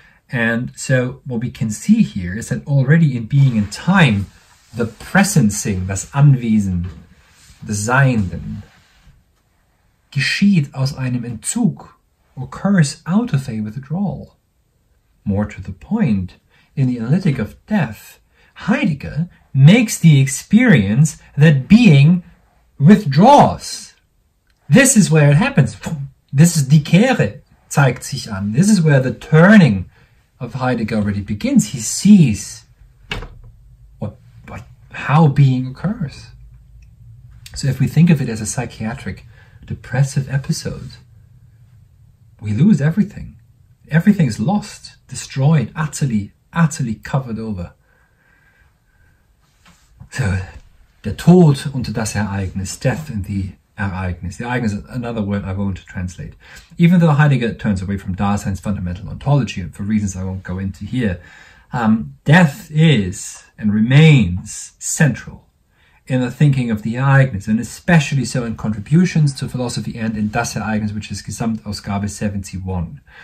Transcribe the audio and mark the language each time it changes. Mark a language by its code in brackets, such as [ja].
[en] And so what we can see here is that already in being and time, the presencing, [de] das Anwesen, [en] the Seienden, [de] geschieht aus einem Entzug, [en] occurs out of a withdrawal. More to the point, in the analytic of death, Heidegger makes the experience that being withdraws. This is where it happens. This is [de] die Kehre, zeigt sich an. [en] This is where the turning of Heidegger already begins. He sees how being occurs. So if we think of it as a psychiatric depressive episode, we lose everything. Everything is lost, destroyed, utterly, utterly covered over. [de] So, der Tod und das Ereignis, [en] death and the Ereignis. The Ereignis is another word I won't translate. Even though Heidegger turns away from Dasein's fundamental ontology, and for reasons I won't go into here, death is and remains central in the thinking of the Ereignis, and especially so in contributions to philosophy and in das Ereignis, which is Gesamtausgabe 71.